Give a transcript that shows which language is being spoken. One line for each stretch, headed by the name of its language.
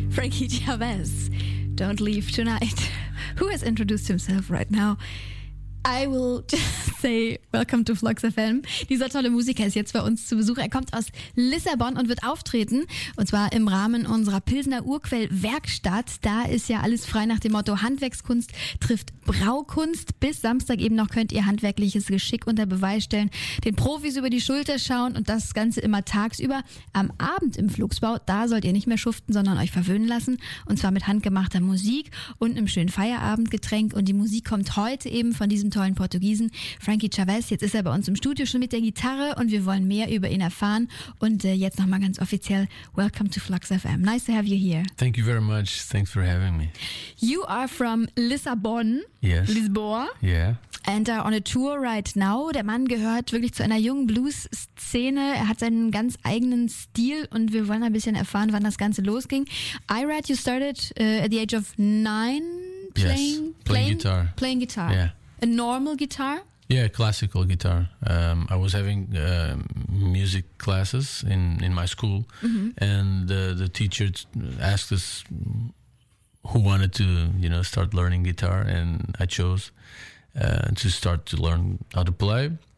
English: Pete Yabez, Don't Leave Tonight, who has introduced himself right now. I will just say, welcome to Flux FM.
German: Dieser tolle Musiker ist jetzt bei uns zu Besuch. Er kommt aus Lissabon und wird auftreten. Und zwar im Rahmen unserer Pilsener Urquell Werkstatt. Da ist ja alles frei nach dem Motto Handwerkskunst trifft Braukunst. Bis Samstag eben noch könnt ihr handwerkliches Geschick unter Beweis stellen, den Profis über die Schulter schauen und das Ganze immer tagsüber. Am Abend im Flugsbau, da sollt ihr nicht mehr schuften, sondern euch verwöhnen lassen. Und zwar mit handgemachter Musik und einem schönen Feierabendgetränk. Und die Musik kommt heute eben von diesem tollen Portugiesen, Frankie Chavez. Jetzt ist er bei uns im Studio schon mit der Gitarre und wir wollen mehr über ihn erfahren. Und jetzt nochmal ganz offiziell,
English: welcome to Flux FM. Nice to have you here. Thank you very much. Thanks for having me. You are from Lissabon. Yes. Lisboa. Yeah. And are on a tour right now.
German: Der Mann gehört wirklich zu einer jungen Blues-Szene. Er hat seinen ganz eigenen Stil und wir wollen ein bisschen erfahren, wann das Ganze losging.
English: I read you started at the age of 9 playing? Yes. Playing guitar. Playing guitar. Yeah. A normal guitar? Yeah, classical guitar. I was having music classes in my school, mm-hmm. and the teacher asked us who wanted to, you know, start learning guitar, and I chose to start to learn how to play.